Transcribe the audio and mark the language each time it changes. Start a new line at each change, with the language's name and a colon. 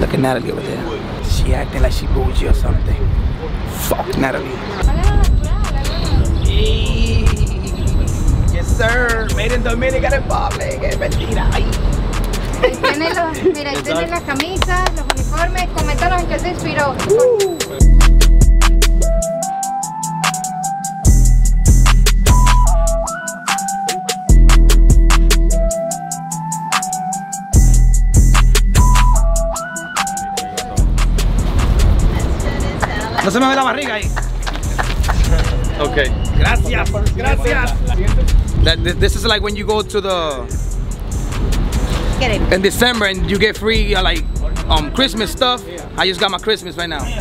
English: Look at Natalie over there. She acting like she bougie or something. Fuck Natalie. Yes, sir. Made in Dominican Republic.
Spanish: Es mentira. Tiene las camisas, los uniformes. Comentaron en que se inspiró. No se me ve la barriga ahí.
English: Okay.
Spanish: Gracias.
English: This is like when you go to the in December and you get free like Christmas stuff. I just got my Christmas right now.